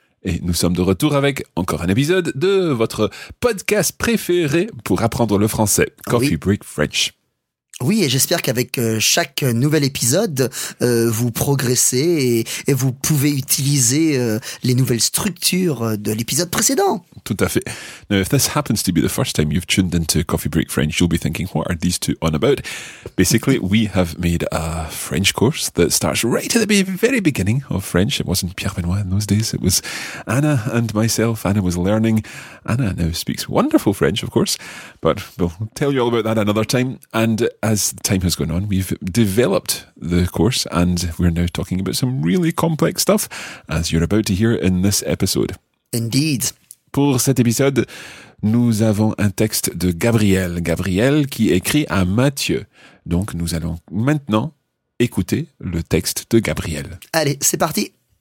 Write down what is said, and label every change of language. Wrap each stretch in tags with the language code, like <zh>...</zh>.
<fr>Et nous sommes de retour avec encore un épisode de votre podcast préféré pour apprendre le français, Coffee Break French. Oui, et j'espère qu'avec chaque nouvel épisode, vous progressez et vous pouvez utiliser les nouvelles structures de l'épisode précédent. Tout à fait.</fr> <en>Now, if this happens to be the first time you've tuned into Coffee Break French, you'll be thinking, what are these two on about? Basically, we have made a French course that starts right at the very beginning of French. It wasn't Pierre Benoît in those days. It was Anna and myself. Anna was learning. Anna now speaks wonderful French, of course, but we'll tell you all about that another time. And as time has gone on, we've developed the course and we're now talking about some really complex stuff, as you're about to hear in this episode. Indeed.</en> <fr>Pour cet épisode, nous avons un texte de Gabriel. Gabriel qui écrit à Mathieu. Donc nous allons maintenant écouter le texte de Gabriel. Allez, c'est parti.</fr>